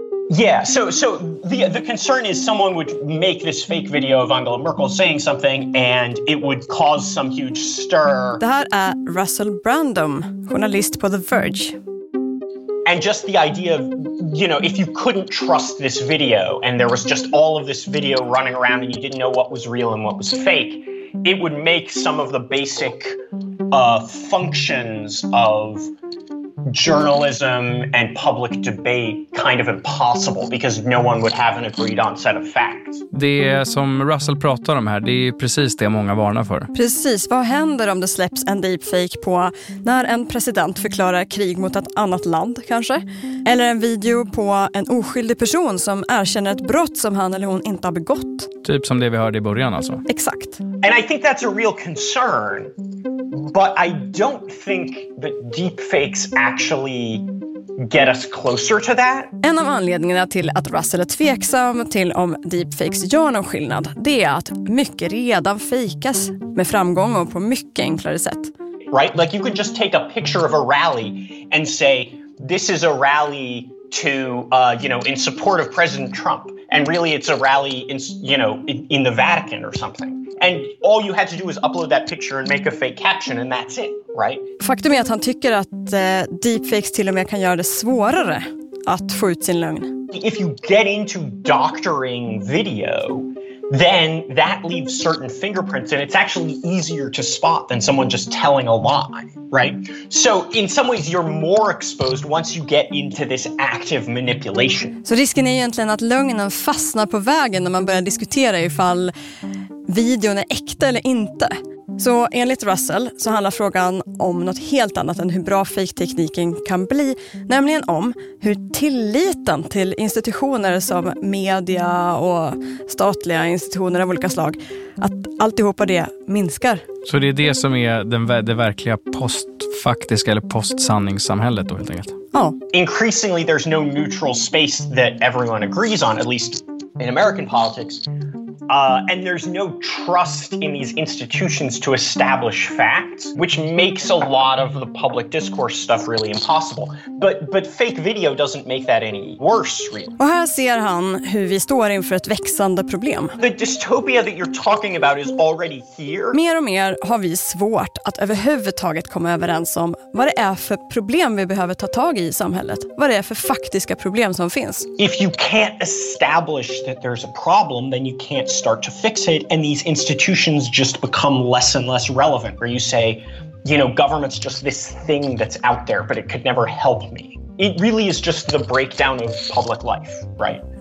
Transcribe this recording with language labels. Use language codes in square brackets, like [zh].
[en] Yeah, so the concern is someone would make this fake video of Angela Merkel saying something and it would cause some huge stir. [sv] Det här är Russell Brandom, journalist på The Verge. [en] And just the idea of, you know, if you couldn't trust this video and there was just all of this video running around and you didn't know what was real and what was fake, it would make some of the basic functions of journalism and public debate kind of impossible because no one would have an agreed on set of facts. [sv] Det som Russell pratar om här, det är precis det många varnar för. Precis, vad händer om det släpps en deepfake på när en president förklarar krig mot ett annat land kanske? Eller en video på en oskyldig person som erkänner ett brott som han eller hon inte har begått? Typ som det vi hörde i början alltså. Exakt. [en] And I think that's a real concern. But I don't think that deepfakes actually get us closer to that. [sv] En av anledningarna till att Russell är tveksam till om deepfakes gör någon skillnad, det är att mycket redan fejkas med framgång och på mycket enklare sätt. [en] Right? Like you could just take a picture of a rally and say this is a rally to in support of President Trump, and really it's a rally in the Vatican or something. And all you had to do was upload that picture and make a fake caption and that's it, right? [sv] Faktum är att han tycker att deepfakes till och med kan göra det svårare att få ut sin lögn. [en] If you get into doctoring video, then that leaves certain fingerprints and it's actually easier to spot than someone just telling a lie, right? So in some ways you're more exposed once you get into this active manipulation. [sv] Så risken är egentligen att lögnen fastnar på vägen när man börjar diskutera ifall videon är äkta eller inte. Så enligt Russell så handlar frågan om något helt annat än hur bra fejktekniken kan bli. Nämligen om hur tilliten till institutioner som media och statliga institutioner av olika slag, att alltihopa det minskar. Så det är det som är det verkliga postfaktiska eller postsanningssamhället då helt enkelt? Ja. [en] Increasingly there's no neutral space that everyone agrees on, at least in American politics. And there's no trust in these institutions to establish facts, which makes a lot of the public discourse stuff really impossible. But fake video doesn't make that any worse, really. [sv] Och här ser han hur vi står inför ett växande problem. [en] The dystopia that you're talking about is already here. [sv] Mer och mer har vi svårt att överhuvudtaget komma överens om vad det är för problem vi behöver ta tag i samhället. Vad det är för faktiska problem som finns. [en] If you can't establish that there's a problem, then you can't start to fix it, and these institutions just become less and less relevant, where you say, you know, government's just this thing that's out there, but it could never help me. It really is just the breakdown of public life, right?